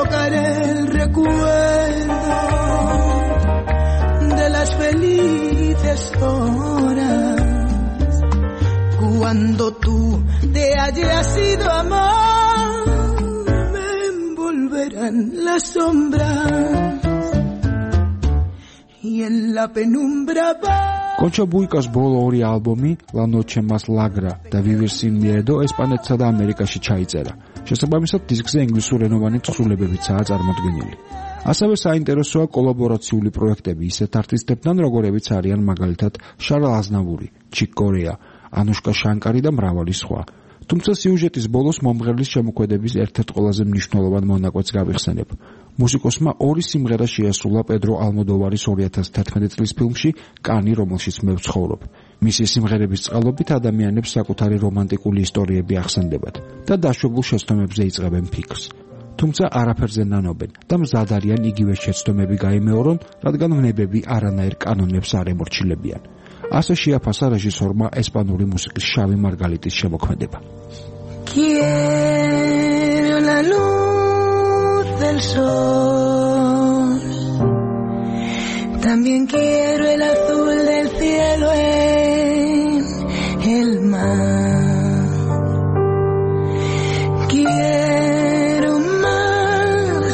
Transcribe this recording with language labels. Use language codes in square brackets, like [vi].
[es] El recuerdo de las felices horas cuando tú te hayas ido a amar me envolverán las sombras y en la penumbra va. [ka] კონჩა ბუიკას ბოლო ორი ალბომი, La Noche Más Lagra და Vivir Sin Miedo, ესპანეთსა და ამერიკაში ჩაიწერა. შესაბამისად, დისკზე ინგლისურ ენოვანი თხრულებებიცაა წარმოდგენილი. ასევე საინტერესოა კოლაბორაციული პროექტები ისეთ არტისტებთან, როგორებიც არიან მაგალითად შარლ აზნავური, ჩიკ კორეა, ანუშკა შანკარი და მრავალი სხვა. თუმცა სიუჟეტის ბოლოს მომღერლის შემოქმედების ერთ-ერთ ყველაზე მნიშვნელოვან მონაკვეთს გავიხსენებ. მუსიკოსმა ორი სიმღერა შეასრულა პედრო ალმოდოვარის 2011 წლის ფილმში კანი, რომელშიც მე ვცხოვრობ. მისი სიმღერების წყალობით ადამიანებს საკუთარი რომანტიკული ისტორიები ახსენდებათ და დაშვებულ შეცდომებზე იწყებენ ფიქრს. თუმცა არაფერზე ნანობენ და მზად არიან იგივე შეცდომები გაიმეორონ, რადგან ვნებები არანაირ კანონებს არ ემორჩილებიან. ასე შეაფასა რეჟისორმა ესპანური მუსიკის შავი მარგალიტის შემოქმედება. [es] Del sol también quiero el azul del cielo en el mar quiero un mar